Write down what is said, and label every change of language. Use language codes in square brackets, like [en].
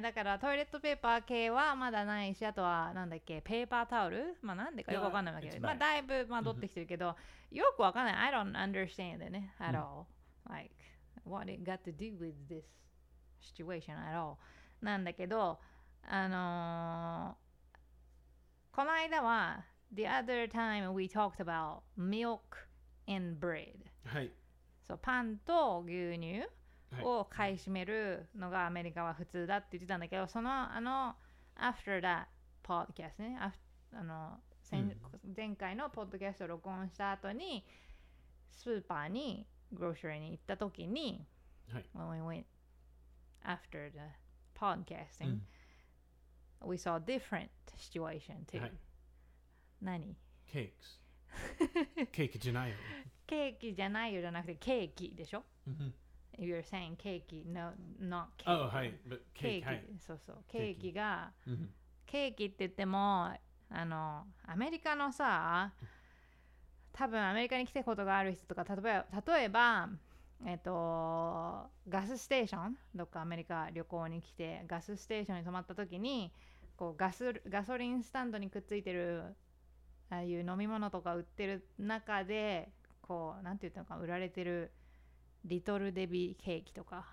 [ja] だからトイレットペーパー系はまだないし、あとはなんだっけ、ペーパータオル、まあなんでかよくわかんないわけで、まあだいぶ戻ってきてるけど、よくわかんない。 [en] I don't understand it at all.、うん、like, what it got to do with this situation at all. [ja] なんだけど、この間は、 [en] the other time we talked about milk and bread、 [ja] はい、そうパンと牛乳を買い占めるのがアメリカは普通だって言ってたんだけど、そのあの [en] after that podcast、 [ja] ね、あの 前回のポッドキャストを録音した後にスーパーにグロッシリーに行った時に、はい、 [en] when we went after the podcasting、うん、we saw a different situation too、 [ja] はい、何 cakes ケーキじゃないよケーキじゃないよじゃなくてケーキでしょ、うん、 [en] You're saying ケーキ No, not cake Oh, はい But cake, [ja] ケーキ、はい、そうそうケーキがケーキ、うん、ケーキって言ってもあのアメリカのさ多分アメリカに来たことがある人とか例えばガスステーションどっかアメリカ旅行に来てガスステーションに泊まった時にこうガソリンスタンドにくっついてるああいう飲み物とか売ってる中でこうなんていうのか売られてるリトルデビーケーキとか、